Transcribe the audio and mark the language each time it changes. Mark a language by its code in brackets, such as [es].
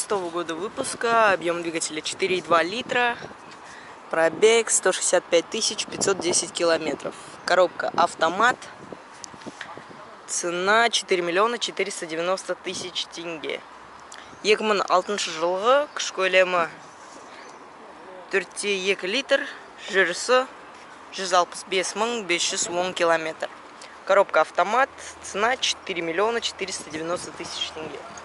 [ru] года выпуска, объем двигателя 4,2 литра, пробег 165 510 километров. Коробка автомат, цена 4 миллиона 490 тысяч тенге. [kk] Екман алтыншы жылғы, күш көлемі 4,2 литр, жүрісі 165 510 километр. [ru] Коробка автомат, цена 4 миллиона 490 тысяч тенге.